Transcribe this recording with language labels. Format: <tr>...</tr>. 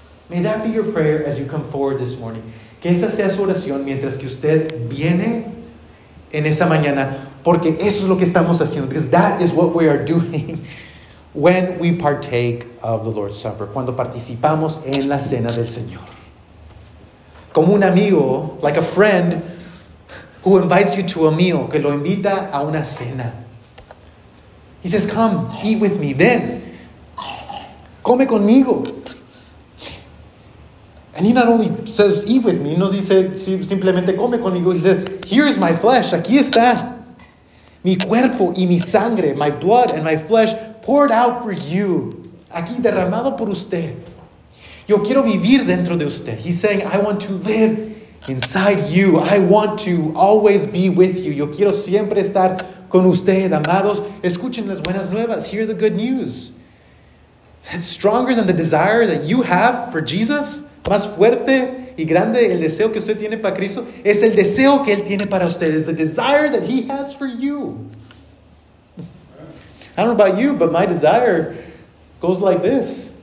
<en>May that be your prayer as you come forward this morning.</en> <es>Que esa sea su oración mientras que usted viene en esa mañana, porque eso es lo que estamos haciendo.</es> <en>Because that is what we are doing when we partake of the Lord's Supper.</en> <es>Cuando participamos en la cena del Señor. Como un amigo,</es> <en>like a friend who invites you to a meal,</en> <es>que lo invita a una cena.</es> <en>He says, come, eat with me,</en> <es>ven, come conmigo.</es> <en>And he not only says, eat with me,</en> <es>no dice simplemente come conmigo,</es> <en>he says, here is my flesh,</en> <es>aquí está. Mi cuerpo y mi sangre,</es> <en>my blood and my flesh poured out for you,</en> <es>aquí derramado por usted. Yo quiero vivir dentro de usted.</es> <en>He's saying, I want to live inside you. I want to always be with you.</en> <es>Yo quiero siempre estar con usted. Amados, escuchen las buenas nuevas.</es> <en>Hear the good news. That's stronger than the desire that you have for Jesus.</en> <es>Más fuerte y grande el deseo que usted tiene para Cristo. Es el deseo que Él tiene para usted.</es> <en>It's the desire that He has for you. I don't know about you, but my desire goes like this.</en>